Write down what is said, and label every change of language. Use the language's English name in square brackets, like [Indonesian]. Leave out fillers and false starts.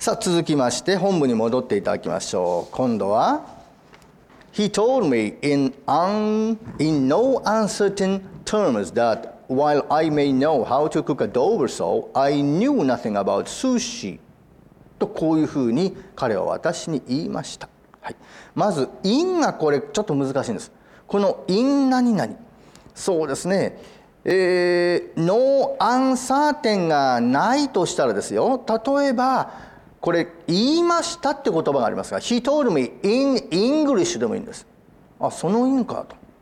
[Japanese] さあ続きまして本部に戻っていただきましょう。今度は [English] He told me in no uncertain terms that while I may know how to cook a dover sole, I knew nothing about sushi. [Japanese] とこういうふうに彼は私に言いました。はい、まず [English] in [Japanese] がこれちょっと難しいんです。この in 何々。そうですね。 No uncertain がないとしたらですよ。例えばこれ言いましたって言葉がありますが、 [English] He told me in English [Japanese] でもいいんです。あ、その in かと。